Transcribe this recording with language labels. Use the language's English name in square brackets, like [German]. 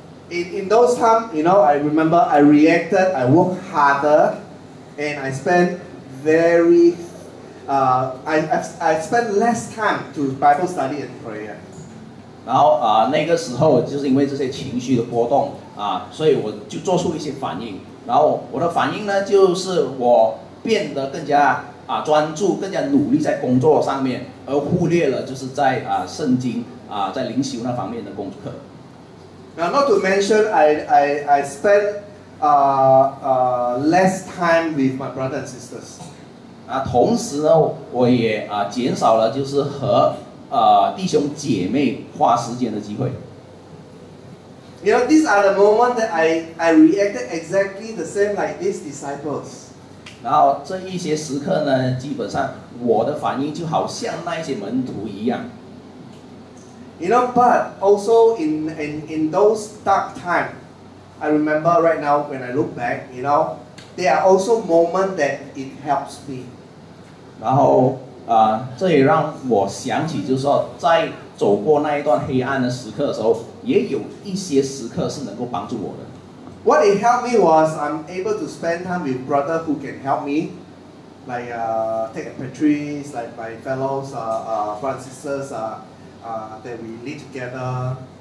[English] In those time, you know, I remember I reacted, I worked harder. And I spent I spent less time to Bible study and prayer. [Chinese] 然后那个时候就是因为这些情绪的波动，所以我就做出一些反应。然后我的反应呢，就是我变得更加专注，更加努力在工作上面，而忽略了就是在圣经在灵修那方面的功课。 [English] Now, not to mention, I spent. Less time with my brothers and sisters. [Chinese] 同时呢，我也减少了就是和弟兄姐妹花时间的机会。 [English] You know, these are the moments that I reacted exactly the same like these disciples. [Chinese] 然后这一些时刻呢，基本上我的反应就好像那些门徒一样。 [English] You know, but also in those dark times, I remember right now when I look back, you know, there are also moments that it helps me. [Chinese] 然后这也让我想起，就是说，在走过那一段黑暗的时刻的时候，也有一些时刻是能够帮助我的。 [English] What it helped me was I'm able to spend time with brother who can help me, like Tech and Patrice, like my fellows, Francis's, that we lead together.